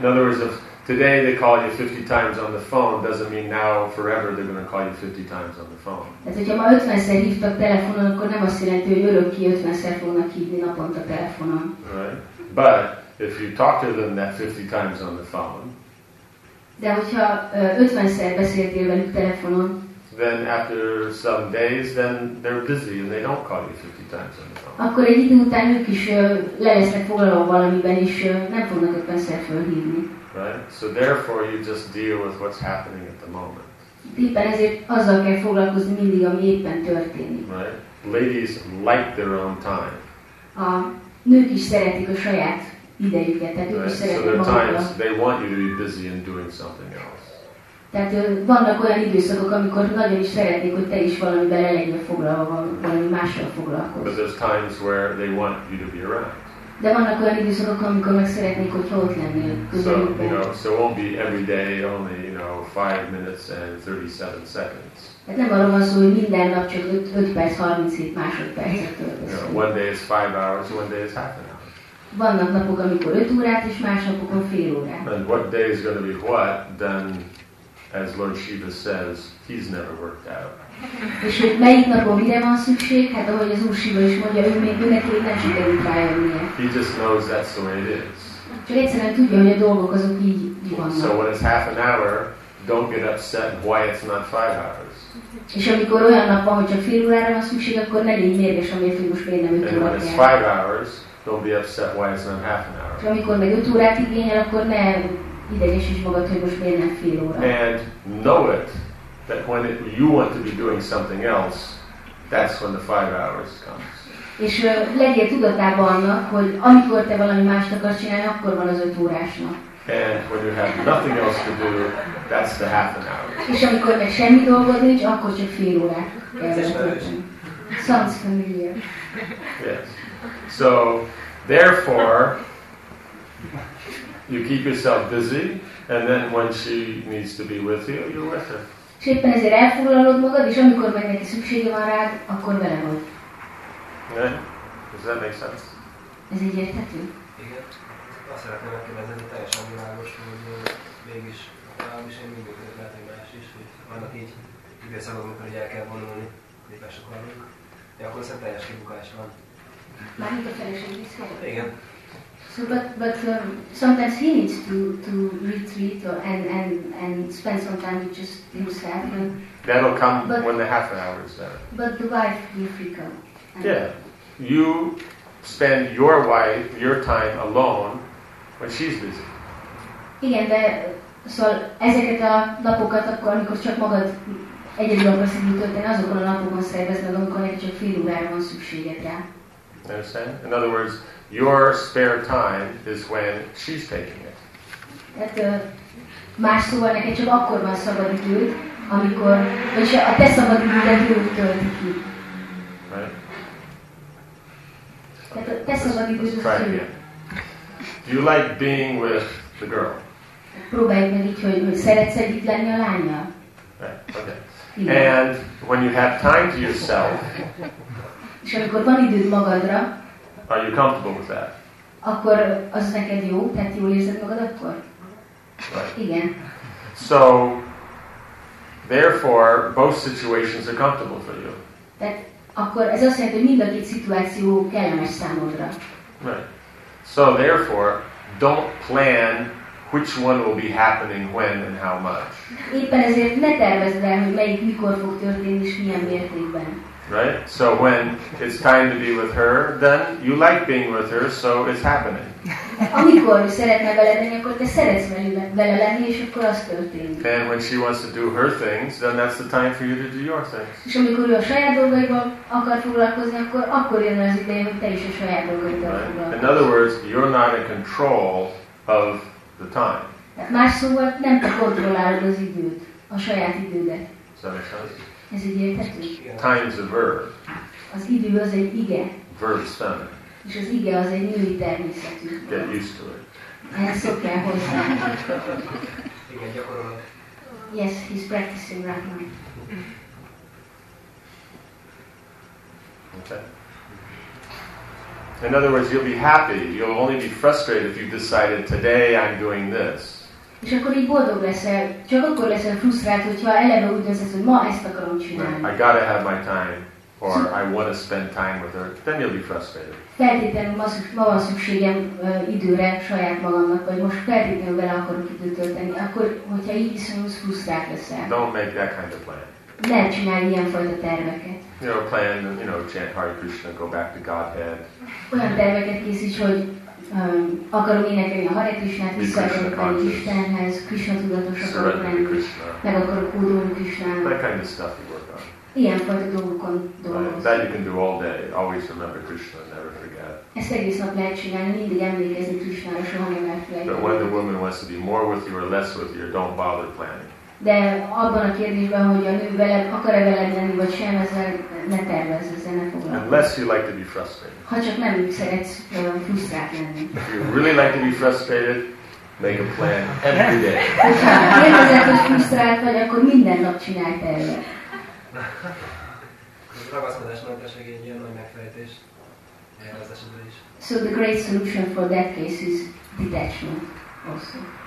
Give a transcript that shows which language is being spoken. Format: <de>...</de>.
<en>In other words, if today they call you 50 times on the phone, doesn't mean now forever they're going to call you 50 times on the phone.</en> <hu>Tehát, hogyha ma 50-szer hívtak telefonon, akkor nem azt jelenti, hogy örökké 50-szer fognak hívni naponta telefonon.</hu> <en>Right? But if you talk to them that 50 times on the phone,</en> <hu>de hogyha 50-szer beszéltél velük telefonon,</hu> <en>then after some days, then they're busy and they don't call you 50 times on the phone.</en> <hu>Akkor egy idő után ők is lesznek foglalva valamiben, és nem fognak 50-szer fölhívni.</hu> <en>Right? So therefore you just deal with what's happening at the moment.</en> <hu>Éppen ezért azzal kell foglalkozni mindig, ami éppen történik.</hu> <en>Right? Ladies like their own time.</en> <hu>A nők is szeretik a saját idejüket, tehát ők is szeretik magukat.</hu> <en>So their times, they want you to be busy and doing something else.</en> <hu>Tehát vannak olyan időszakok, amikor nagyon is szeretnék, hogy te is valamiben le legyél foglalva, valami mással foglalkozz.</hu> <en>But there's times where they want you to be around.</en> <hu>De vannak olyan időszakok, amikor meg szeretnék, hogy ott lennél közelükben.</hu> <en>So, you know, so it won't be every day only, you know, 5 minutes and 37 seconds.</en> <hu>Hát nem arról van szó, hogy minden nap csak 5 perc 37 másodpercet töltesz.</hu> <en>You know, one day is 5 hours, one day is half an hour.</en> <hu>Vannak napok, amikor 5 órát, és más napokon fél órát.</hu> <en>And what day is going to be what, then, as Lord Shiva says, he's never worked out.</en> <hu>És hogy melyik napon mire van szükség? Hát ahogy az Úr Shiva is mondja, ő még őnek így nem sikerült rájönnie.</hu> <en>He just knows that's the way it is.</en> <hu>Csak egyszerűen tudja, hogy a dolgok azok így vannak.</hu> <en>So when it's half an hour, don't get upset why it's not 5 hours.</en> <hu>És amikor olyan nap van, hogy a fél órára van szükség, akkor ne légy mérges, amiért hogy most például 5 órára.</hu> <en>It's 5 hours, don't be upset why it's not half an hour.</en> <hu>És amikor meg 5 órát igényel, akkor ne idegesíts magad, hogy most például fél óra.</hu> <en>And know it, that when it, you want to be doing something else, that's when the 5 hours comes.</en> <hu>És legyél tudatában annak, hogy amikor te valami mást akarsz csinálni, akkor van az 5 órásnak.</hu> <en>And when you have nothing else to do, that's the half an hour.</en> <hu>És amikor meg semmi dolgod nincs, akkor csak fél órát kellett.</hu> <en>Sounds familiar. Yes. So, therefore, you keep yourself busy, and then when she needs to be with you, you're with her.</en> <hu>És éppen ezért elfoglalod magad, és amikor meg neki szüksége van rád, akkor vele vagy.</hu> <en>Yeah. Does that make sense?</en> <hu>Ez így érthető? Igen. Azt szeretném megkérdezni, teljesen világos, hogy mégis is én mindig között lehet, hogy más is, hogy vannak így időszakok, amikor el kell vonulni, képes akarunk, de akkor szerint teljes kibukás van. Mármint a feleség is van? Igen.</hu> <en>So, but sometimes he needs to retreat or and spend some time with just himself. And, that'll come but, when the half an hour is there. But the wife will become. Yeah. You spend your wife, your time alone, when she's busy.</en> <hu>Igen, de szóval ezeket a napokat akkor, amikor csak magad egyedül akarsz időt tölteni, azokon a napokon szervezd meg, amikor neki csak fél órára van szükséged rá.</hu> <en>Understand? In other words, your spare time is when she's taking it.</en> <hu>Tehát más szóval neked csak akkor van szabad időd, amikor, vagyis a te szabad időt úgy tölti ki.</hu> <en>Right? Okay. Let's try again. Do you like being with the girl?</en> <hu>Próbáld meg így, hogy szeretsz együtt lenni a lánya.</hu> <en>Okay. And when you have time to yourself,</en> <hu>és amikor van időd magadra,</hu> <en>are you comfortable with that?</en> <hu>Akkor az neked jó? Tehát jól érzed magad akkor?</hu> <en>Right.</en> <hu>Igen.</hu> <en>So, therefore, both situations are comfortable for you.</en> <hu>Akkor ez azt jelenti, hogy mind a két szituáció kellemes számodra.</hu> <en>Right. So therefore, don't plan which one will be happening when and how much.</en> <hu>Éppen ezért ne tervezd el, hogy melyik mikor fog történni és milyen mértékben.</hu> <en>Right. So when it's time to be with her, then you like being with her, so it's happening.</en> <hu>Amikor szeretne veled lenni, akkor te szeretsz vele lenni, és akkor az történik.</hu> <en>And when she wants to do her things, then that's the time for you to do your things.</en> <hu>És amikor ő a saját dolgaival akar foglalkozni, akkor jön az ideje, hogy te is a saját dolgaival foglalkozz.</hu> <en>Right. In other words, you're not in control of the time.</en> <hu>Más szóval nem te kontrollálod az időt, a saját idődet. Ez egy értető?</hu> <en>Time is a verb.</en> <hu>Az idő az egy ige.</hu> <en>Verb is feminine.</en> <hu>És az ige az egy női természetű.</hu> <en>Get used to it.</en> <hu>Ez szokjál hozzá. Igen, gyakorolod.</hu> <en>Yes, he's practicing right now. Okay. In other words, you'll be happy. You'll only be frustrated if you decided today I'm doing this.</en> <hu>És akkor így boldog leszel, csak akkor leszel frusztrált, hogyha eleve úgy döntesz, hogy ma ezt akarom csinálni.</hu> <en>I gotta have my time, or I wanna spend time with her, then you'll be frustrated.</en> <hu>Feltétlenül ma van szükségem időre saját magamnak, vagy most feltétlenül vele akarok időt tölteni, akkor hogyha így iszonyúsz, frusztrált leszel.</hu> <en>Don't make that kind of plan.</en> <hu>Ne csinálj ilyenfajta terveket.</hu> <en>You know, plan, you know, chant Hare Krishna, go back to Godhead.</en> <hu>Olyan terveket készíts, hogy akarom énekelni a Hare Krishnát, visszaadok a Istenhez, Krishna tudatosak akarok lenni, meg akarok kódolni Krishnának.</hu> <en>That kind of stuff you work on.</en> <hu>Ilyenfajta dolgokon dolgozom.</hu> <en>That you can do all day, always remember Krishna, never forget.</en> <hu>Ezt egész nap lehet csinálni, mindig emlékezni Krishnára, soha nem elfelejteni.</hu> <en>But when the woman wants to be more with you or less with you, don't bother planning.</en> <hu>De abban a kérdésben, hogy a nő veled, akar-e veled lenni, vagy sem, ezzel ne tervezz, ezzel ne foglalkozz.</hu> <en>Unless you like to be frustrated.</en> <hu>Ha csak nem szeretsz frusztrált lenni.</hu> <en>If you really like to be frustrated, make a plan every day.</en> <hu>Ha nem ezzel, hogy frusztrált vagy, akkor minden nap csinálj tervet. Ragaszkodás mentes egy ilyen nagy megfejtés. Ehhez az esetben is.</hu> <en>So the great solution for that case is detachment also.</en>